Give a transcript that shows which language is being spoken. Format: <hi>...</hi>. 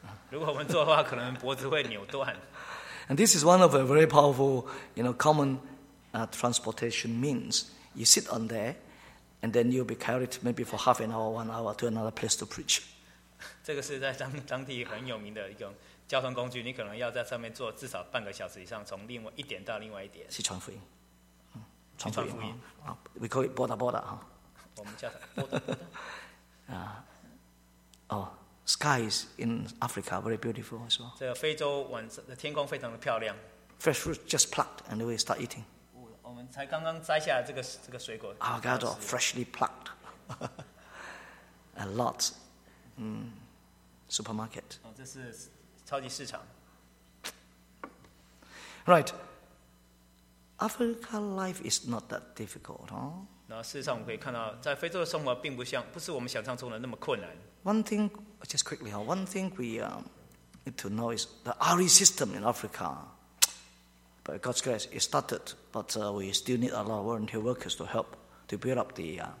<zh>如果我们做的话，可能脖子会扭断。</zh> <en>And this is one of a very powerful, you know, common transportation means. You sit on there, and then you'll be carried maybe for half an hour, 1 hour to another place to preach.</en> <zh>这个是在当地很有名的一种交通工具，你可能要在上面坐至少半个小时以上， 从一点到另外一点。去传福音。传福音。</zh> <en>We call it Boda Boda.</en> <zh>我们叫它Boda Boda。</zh> <en>Sky is in Africa, very beautiful as well.</en> <zh>这个非洲晚上的天空非常的漂亮。</zh> <en>Fresh fruit just plucked and then we start eating.</en> <zh>我们才刚刚摘下这个水果。</zh> <en>Avocado, freshly plucked. A lot. Supermarket.</en> <zh>这是超级市场。</zh> <en>Right. Africa life is not that difficult, huh?</en> <zh>事实上我们可以看到，在非洲的生活并不像，不是我们想象中的那么困难。</zh> <en>One thing, just quickly, huh? One thing we need to know is the RE system in Africa. By God's grace, it started, but we still need a lot of volunteer workers to help to build up the.</en>